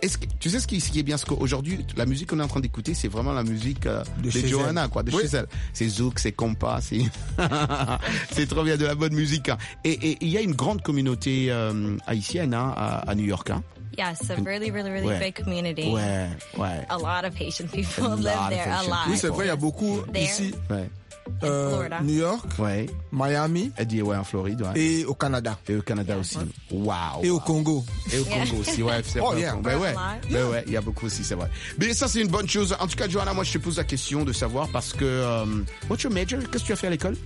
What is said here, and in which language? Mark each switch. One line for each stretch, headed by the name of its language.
French: Est-ce que, tu sais ce qui est bien, c'est qu'aujourd'hui, la musique qu'on est en train d'écouter, c'est vraiment la musique de Johanna, quoi, de chez elle. C'est Zouk, c'est Compa, c'est... C'est trop bien, de la bonne musique. Et il y a une grande communauté haïtienne, hein, à New York, hein.
English: Yes, a really, really, really big community.
French: Ouais.
English: A lot of Haitian people live there, a lot.
French: Oui, c'est vrai, il y a beaucoup ici. Ouais.
English: Florida. New York,
French: ouais.
English: Miami,
French: dit, ouais, en Floride, ouais. Et au Canada. Et au Canada aussi. Wow. Et au Congo. Et au Congo aussi, ouais. C'est vrai. Ben ouais. Ben ouais, il y a beaucoup aussi, c'est vrai. Mais ça, c'est une bonne chose. En tout cas, Johanna, moi, je te pose la question de savoir parce que.
English: What's your major?
French: Qu'est-ce que tu as fait à l'école?